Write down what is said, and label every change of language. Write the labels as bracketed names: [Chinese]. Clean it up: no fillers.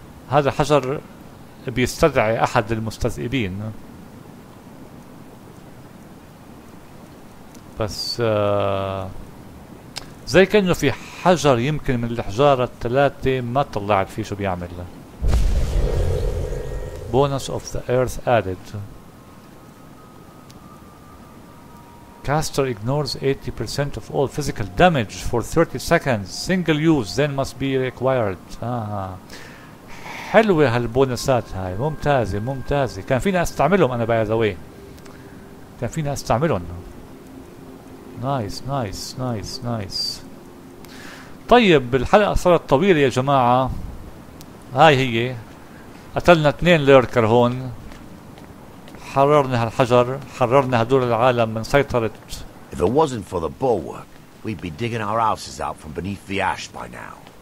[Arabic] هذا حجر بيستدعي أحد المستذئبين، بس زي كأنه في حجر يمكن من الحجارة الثلاثة ما طلعت فيه شو بيعمل. [English] Bonus of the earth added. Caster ignores 80% of all physical damage for 30 seconds. Single use then must be required. آه. [Arabic] حلوة هالبونسات هاي، ممتازة ممتازة. كان فينا استعملهم أنا [English] by the way. [Arabic] كان فينا استعملهم. [English] Nice nice nice nice. [Arabic] طيب الحلقة صارت طويلة يا جماعة، هاي هي قتلنا اثنين ليركر هون، حررنا هالحجر، حررنا هدول العالم من سيطرة. [English] If it wasn't for the bulwark we'd be digging our houses out from beneath the ash by now.